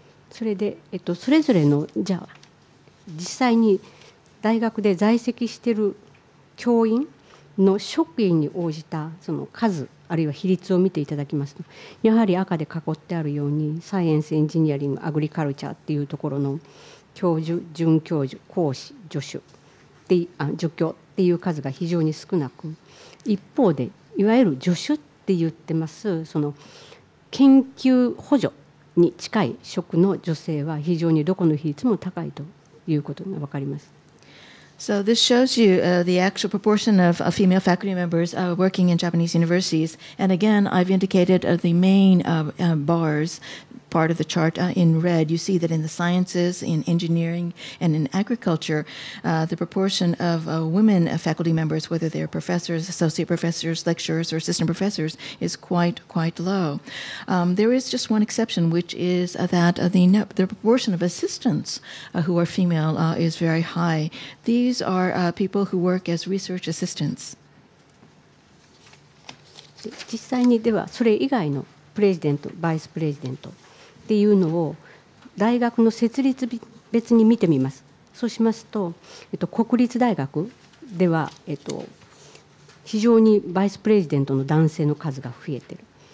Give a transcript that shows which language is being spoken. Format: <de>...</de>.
<ja>それで、それぞれのじゃあ実際に大学で在籍している教員の職員に応じたその数あるいは比率を見ていただきますと、やはり赤で囲ってあるようにサイエンス、エンジニアリング、アグリカルチャーっていうところの教授、准教授、講師、助手って助教っていう数が非常に少なく、一方でいわゆる助手って言ってますその研究補助に近い職の女性は非常にどこの比率も高いということが分かります。</ja> <en>So this shows you the actual proportion of female faculty members working in Japanese universities. And again, I've indicated the main bars part of the chart in red. You see that in the sciences, in engineering, and in agriculture, the proportion of women faculty members, whether they're professors, associate professors, lecturers, or assistant professors, is quite, quite low. There is just one exception, which is that the proportion of assistants who are female is very high. The These are people who work as research assistants.</en> <ja>実際にではそれ以外のプレジデント、バイスプレジデントっていうのを大学の設立別に見てみます。そうしますと、国立大学では、非常にバイスプレジデントの男性の数が増えている。</ja>